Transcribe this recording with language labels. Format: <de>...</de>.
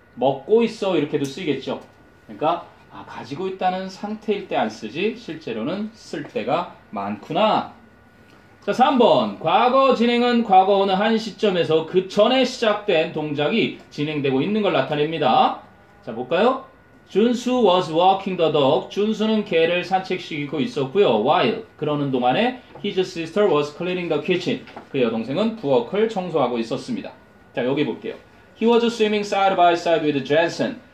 <ko>먹고 있어 이렇게도 쓰이겠죠. 그러니까 아, 가지고 있다는 상태일 때 안 쓰지 실제로는 쓸 때가 많구나. 자, 3번. 과거 진행은 과거 어느 한 시점에서 그 전에 시작된 동작이 진행되고 있는 걸 나타냅니다.</ko> <en>자, 볼까요? 준수 was walking the dog.</en> <ko>준수는 개를 산책시키고 있었고요.</ko> <en>While</en> <ko>그러는 동안에</ko> <en>his sister was cleaning the kitchen.</en> <ko>그의 여동생은 부엌을 청소하고 있었습니다. 자, 여기 볼게요.</ko> <en>He was swimming side by side with Jensen.</en>